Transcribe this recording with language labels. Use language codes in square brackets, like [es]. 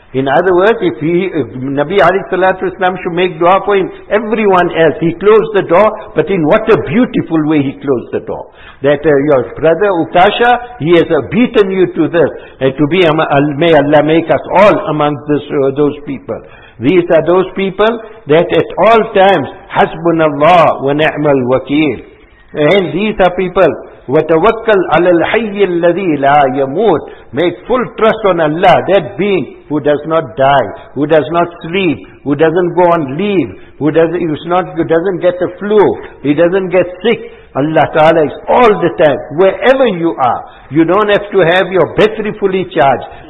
[en] In other words, if Nabi alayhi salatu wasalam should make dua for him, everyone else, he closed the door, but in what a beautiful way he closed the door. That your brother Uqasha, he has beaten you to this, to be, may Allah make us all amongst this, those people. These are those people that at all times, [ar] hasbunallah wa ni'mal wakeel. [en] And these are people, [ar] وَتَوَكَّلْ عَلَى الْحَيِّ الَّذِي لَا يَمُوتْ. [en] Make full trust on Allah, that being who does not die, who does not sleep, who doesn't go on leave, who doesn't get the flu, he doesn't get sick. Allah Ta'ala is all the time, wherever you are. You don't have to have your battery fully charged.